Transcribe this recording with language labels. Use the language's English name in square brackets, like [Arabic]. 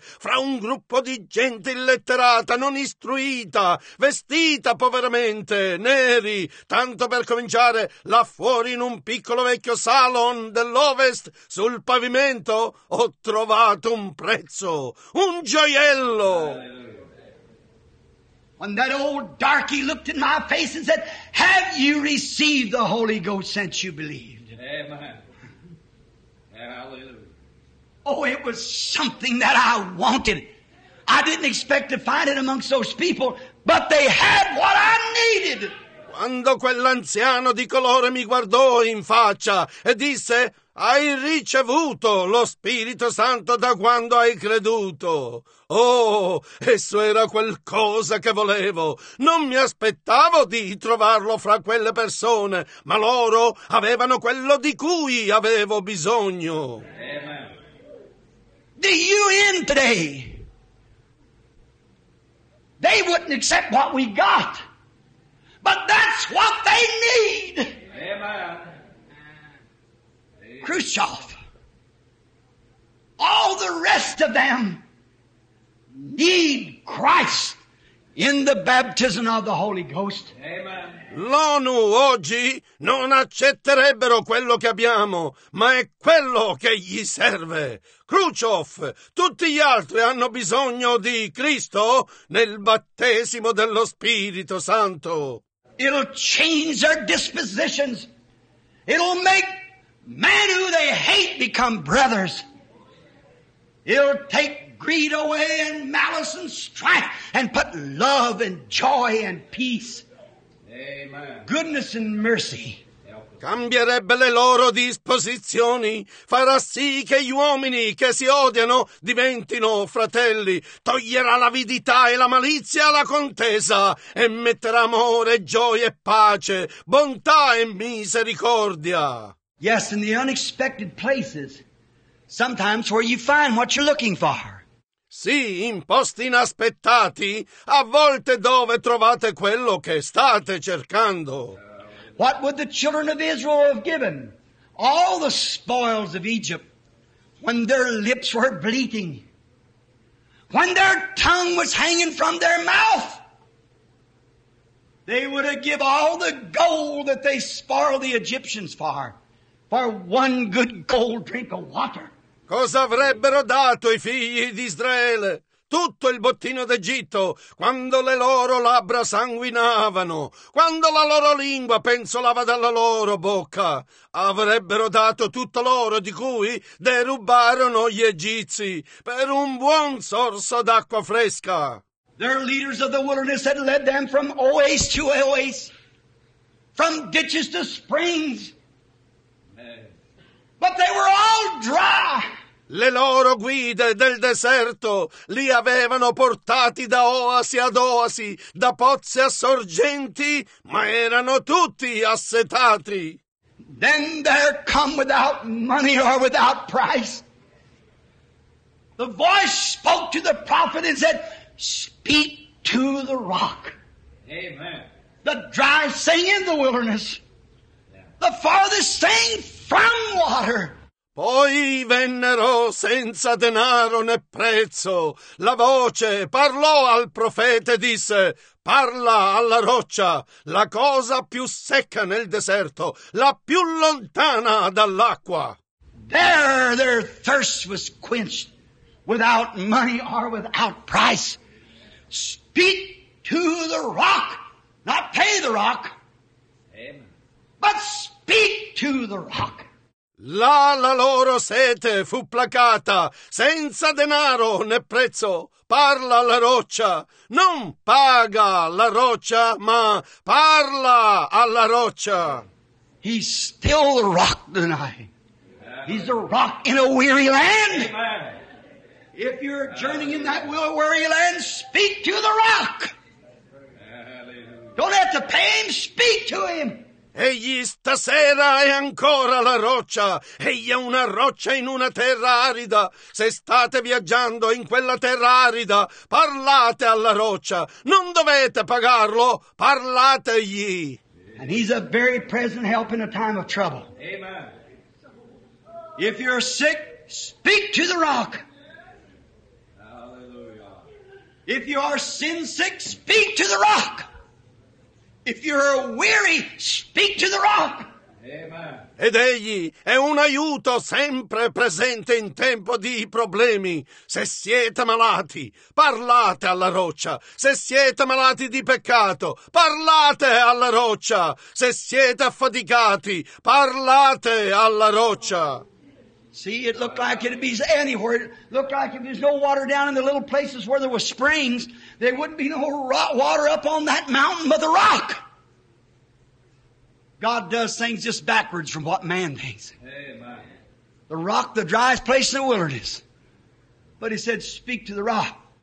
[Italian] Fra un gruppo di gente illetterata, non istruita, vestita poveramente, neri, tanto per cominciare, là fuori in un piccolo vecchio salon dell'Ovest, sul pavimento, ho trovato un prezzo, un gioiello. [English] When that old darky looked in my face and said, "Have you received the Holy Ghost since you believed?" Amen. Hallelujah. Oh, it was something that I wanted. I didn't expect to find it amongst those people, but they had what I needed. [Italian] Quando quell'anziano di colore mi guardò in faccia e disse, "Hai ricevuto lo Spirito Santo da quando hai creduto." Oh, esso era qualcosa che volevo. Non mi aspettavo di trovarlo fra quelle persone, ma loro avevano quello di cui avevo bisogno. [English] Amen. Do you in today? They wouldn't accept what we got, but that's what they need. Amen. Khrushchev, all the rest of them need Christ in the baptism of the Holy Ghost. Amen. [Italian] L'ONU oggi non accetterebbero quello che abbiamo, ma è quello che gli serve. Khrushchev, tutti gli altri hanno bisogno di Cristo nel battesimo dello Spirito Santo. [English] It'll change their dispositions. It'll make men who they hate become brothers. It'll take greed away and malice and strife and put love and joy and peace. Amen. Goodness and mercy. [Italian] Cambierebbe le loro disposizioni, farà sì che gli uomini che si odiano diventino fratelli, toglierà l'avidità e la malizia alla contesa e metterà amore, gioia e pace, bontà e misericordia. [English] Yes, in the unexpected places, sometimes where you find what you're looking for. [Italian] Sì, in posti inaspettati, a volte dove trovate quello che state cercando. [English] What would the children of Israel have given? All the spoils of Egypt, when their lips were bleating, when their tongue was hanging from their mouth. They would have given all the gold that they spoiled the Egyptians for. For one good cold drink of water. [Italian] Cosa avrebbero dato i figli di Israele? Tutto il bottino d'Egitto, quando le loro labbra sanguinavano, quando la loro lingua penzolava dalla loro bocca, avrebbero dato tutto l'oro di cui derubarono gli Egizi per un buon sorso d'acqua fresca. [English] Their leaders of the wilderness had led them from oase to oase, from ditches to springs. But they were all dry. [Italian] Le loro guide del deserto li avevano portati da oasi ad oasi, da pozze a sorgenti, ma erano tutti assetati. [English] Then there come without money or without price. The voice spoke to the prophet and said, "Speak to the rock." Amen. The dry thing in the wilderness. The farthest thing from water. [Italian] Poi vennero senza denaro né prezzo. La voce parlò al profeta e disse, parla alla roccia, la cosa più secca nel deserto, la più lontana dall'acqua. [English] There their thirst was quenched without money or without price. Speak to the rock, not pay the rock. But speak to the rock. [Italian] Là la loro sete fu placata, senza denaro né prezzo. Parla alla roccia, non paga la roccia, ma parla alla roccia. [English] He's still the rock tonight. He's the rock in a weary land. If you're journeying in that weary land, speak to the rock. Don't have to pay him, speak to him. [Italian] Egli stasera è ancora la roccia, egli è una roccia in una terra arida. Se state viaggiando in quella terra arida, parlate alla roccia, non dovete pagarlo, parlategli. [English] And he's a very present help in a time of trouble. Amen. If you're sick, speak to the rock. Hallelujah. If you are sin sick, speak to the rock. If you're weary, speak to the rock. Amen. [Italian] Ed egli è un aiuto sempre presente in tempo di problemi. Se siete malati, parlate alla roccia. Se siete malati di peccato, parlate alla roccia. Se siete affaticati, parlate alla roccia. [English] See, it looked like it'd be anywhere. It looked like if there's no water down in the little places where there were springs, there wouldn't be no water up on that mountain but the rock. God does things just backwards from what man thinks. Amen. The rock, the driest place in the wilderness. But he said, speak to the rock.